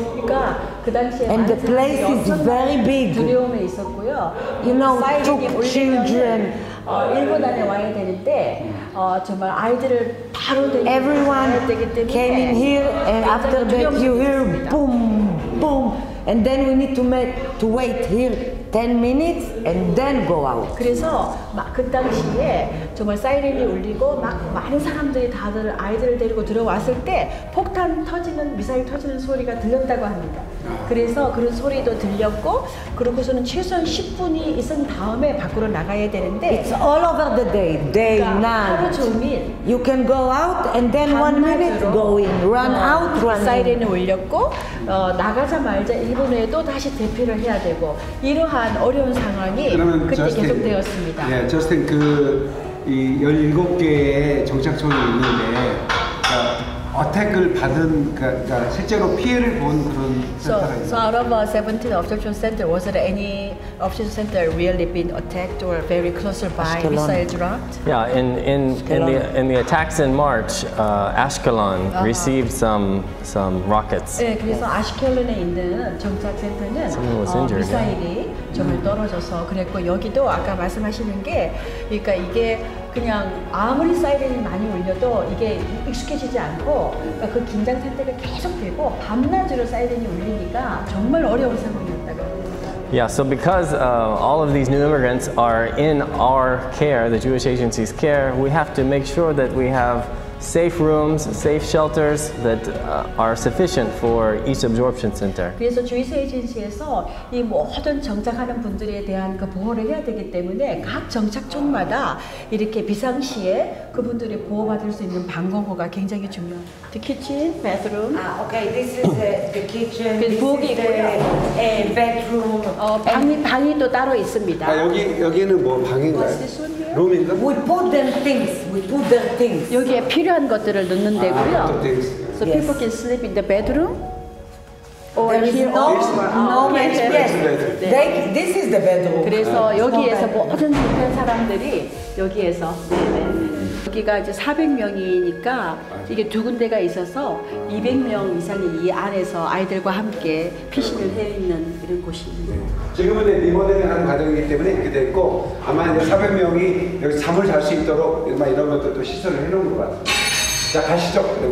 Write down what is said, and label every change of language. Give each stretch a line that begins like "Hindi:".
Korean: 그러니까 그 당시에
English: and the place is very big.
Korean: 두려움에 있었고요.
English: You know, took children
Korean: 1분 안에 와야 되는데 정말 아이들을 바로
English: everyone came in here and after that you hear boom boom and then we need to wait here 10 minutes and then go out.
Korean: 그래서 막 그 당시에 정말 사이렌이 울리고 막 많은 사람들이 다들 아이들을 데리고 들어왔을 때 폭탄 터지는 미사일 터지는 소리가 들렸다고 합니다. 그래서 그런 소리도 들렸고 그러고서는 최소한 10분이 있은 다음에 밖으로 나가야 되는데
English: It's all over the day. Day,
Korean: 그러니까
English: night. You can go out and then 1 minute go in. Run out, run in.
Korean: 사이렌이 울렸고 나가자마자 1분 후에 또 다시 대피를 해야 되고 이런 한 어려운 상황이 그러면 그때 저스틴, 계속되었습니다. 예, 저스틴 그 이 17개의 정착촌이 있는데 그러니까 어택을 받은 그러니까 실제로 피해를 본 그런 센터가 있어요.
English: So out of 17 absorption center, was there any absorption center really been attacked or very close by Ashkelon. Missile dropped? Yeah, in the attacks in March, Ashkelon uh-huh. received some rockets.
Korean: 네, 그래서 아시켈론에 있는 정착센터는
English: Someone was injured,
Korean: 미사일이 yeah. 정말 떨어져서 그랬고 여기도 아까 말씀하시는 게 그러니까 이게 그냥 아무리 사이렌이 많이 울려도 이게 익숙해지지 않고 그 긴장 상태가 계속되고 밤낮으로 사이렌이 울리니까 정말 어려운 상황이었다고.
English: Yeah, so because all of these new immigrants are in our care, the Jewish Agency's care, we have to make sure that we have safe rooms, safe shelters that are sufficient for each absorption center.
Korean: 그래서 주의사 에이전시에서 이 모든 정착하는 분들에 대한 그 보호를 해야 되기 때문에 각 정착촌마다 이렇게 비상시에 그분들이 보호받을 수 있는 방공호가 굉장히 중요합니다.
English: The kitchen, bathroom. Ah, okay, this is the kitchen.
Korean: 부엌이 있고요.
English: And bedroom.
Korean: 방이 또 따로 있습니다. 아, 여기는 뭐 방인가요?
English: We put them things. We put them things.
Korean: 여기에 필요한 것들을 넣는 데고요.
English: So yes. People can sleep in the bedroom. Or there is no, bed. Yes. Yes. They, this is the bedroom.
Korean: 그래서 여기에서 모든 불편 사람들이 여기에서. 여기가 이제 400명이니까 이게 두 군데가 있어서 200명 이상이 이 안에서 아이들과 함께 피신을 해 있는 이런 곳입니다. 지금은 리모델링 하는 과정이기 때문에 이렇게 됐고 아마 이제 400명이 여기 잠을 잘 수 있도록 이런 것들도 시설을 해 놓은 것 같아요. 자, 가시죠.